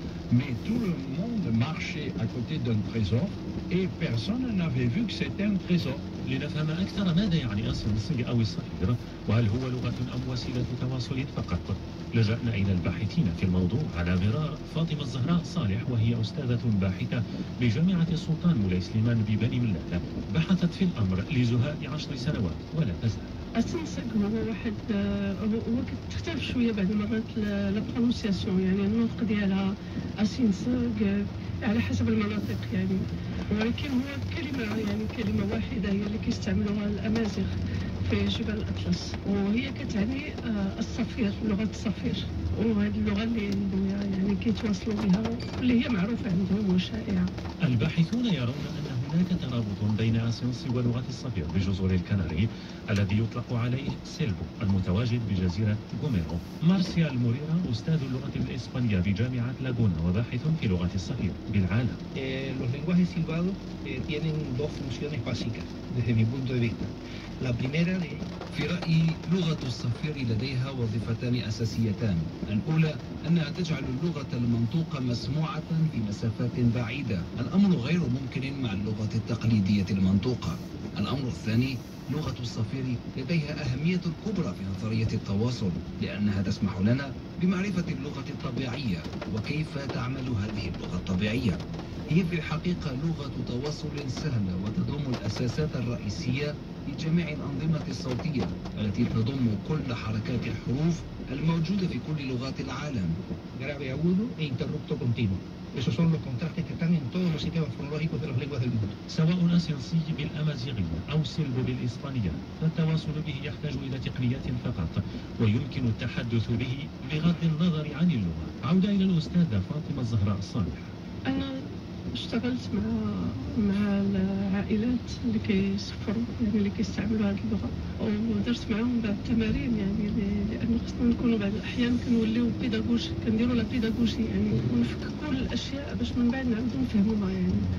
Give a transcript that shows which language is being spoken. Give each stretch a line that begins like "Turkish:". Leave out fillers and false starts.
French: Mais tout le monde marchait à côté d'un trésor et personne n'avait vu que c'était un trésor.
Arabic: لنفهم أكثر ماذا يعني أصل السجن أو الصفير، وهل هو لغة أم وسيلة تواصل فقط؟ لجأنا إلى الباحثين في الموضوع على غرار فاطمة الزهراء صالح، وهي أستاذة باحثة بجامعة السلطان مولاي سليمان ببني ملاك، بحثت في الأمر لزهاء 10 سنوات ولا تزال. أصلا سجن هو واحد وقت تختلف شوية بعد مرات لا برونسياسيون، يعني النطق ديالها أصلا سجن على حسب المناطق يعني، ولكن هو كلمة يعني كلمة واحدة هي اللي كيستعملوها الأمازيغ في جبل الأطلس، وهي كتعني الصفير، لغة الصفير، وهذه اللغة اللي عندهم يعني كيتواصلوا بها واللي هي معروفة عندهم وشائعة. الباحثون يرون أن هناك ترابط بين أسينسي ولغة الصفير بجزر الكناري الذي يطلق عليه سيلبو المتواجد بجزيرة غوميرو. مارسيال موريرا أستاذ اللغة الإسبانية بجامعة لاغونا وباحث في لغة الصفير بالعالم.
Spanish: Los lenguajes silbados tienen dos funciones básicas desde mi punto de vista. La primera de
Arabic: في رأيي لغة الصفير لديها وظيفتان أساسيتان. الأولى أنها تجعل اللغة المنطوقة مسموعة في مسافات بعيدة، الأمر غير ممكن مع اللغة التقليدية المنطوقة. الأمر الثاني، لغة الصفير لديها أهمية كبرى في نظرية التواصل، لأنها تسمح لنا بمعرفة اللغة الطبيعية وكيف تعمل هذه اللغة الطبيعية. هي في الحقيقة لغة تواصل سهلة وتضم الأساسات الرئيسية لجميع الأنظمة الصوتية التي تضم كل حركات الحروف الموجودة في كل لغات العالم.
Spanish: grave agudo e interrupto continuo. Esos son los contrastes que están en todos los sistemas fonológicos de las lenguas del mundo.
Arabic: سواء أسينسي بالأمازيغية أو سيلبو بالإسبانية، فالتواصل به يحتاج إلى تقنيات فقط، ويمكن التحدث به بغض النظر عن اللغة. عودة إلى الأستاذة فاطمة الزهراء صالح. أنا اشتغلت مع العائلات اللي كيسفروا يعني اللي كيستعملوا هذه اللغة، ودرت معهم بعض التمارين يعني، لأن خصنا نكونوا بعض الأحيان كنوليو بيداغوجي، كنديروا لا بيداغوجي يعني، ونفككوا الأشياء باش من بعد نعاودو نفهموها يعني.